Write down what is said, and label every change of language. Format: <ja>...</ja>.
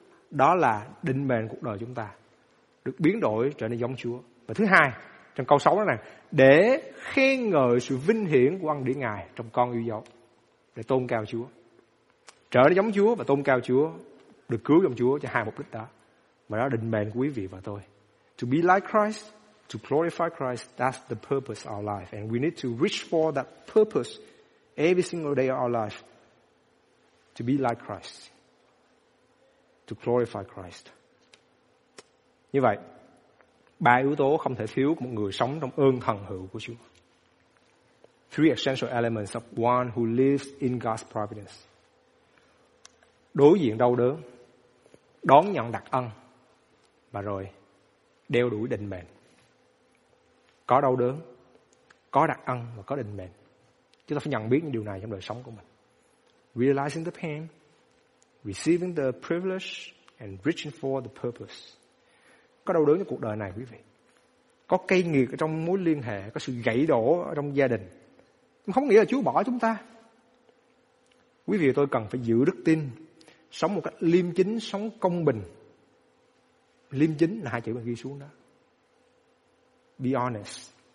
<vi>Đó là định mệnh cuộc đời chúng ta, được biến đổi trở nên giống Chúa. Và thứ hai, trong câu 6 đó này, để khen ngợi sự vinh hiển của ân điển Ngài trong con yêu dấu, để tôn cao Chúa. Trở nên giống Chúa và tôn cao Chúa, được cứu giống Chúa, cho hai mục đích đó. Và đó là định mệnh của quý vị và tôi.</vi> <en>To be like Christ, to glorify Christ, that's the purpose of our life. And we need to reach for that purpose every single day of our life. To be like Christ, to glorify Christ.</en> <vi>Như vậy, ba yếu tố không thể thiếu của một người sống trong ơn thần hữu của Chúa.</vi> <en>Three essential elements of one who lives in God's providence.</en> <vi>Đối diện đau đớn, đón nhận đặc ân, và rồi đeo đuổi định mệnh. Có đau đớn, có đặc ân và có định mệnh. Chúng ta phải nhận biết những điều này trong đời sống của mình.</vi> <en>Realizing the pain, receiving the privilege and reaching for the purpose.</en> <vi>Có đau đớn trong cuộc đời này quý vị, có cay nghiệt ở trong mối liên hệ, có sự gãy đổ ở trong gia đình, nhưng không nghĩa là Chúa bỏ chúng ta. Quý vị tôi cần phải giữ đức tin, sống một cách liêm chính, sống công bình. Liêm chính là hai chữ mà ghi xuống đó.</vi> <en>Be honest.</en>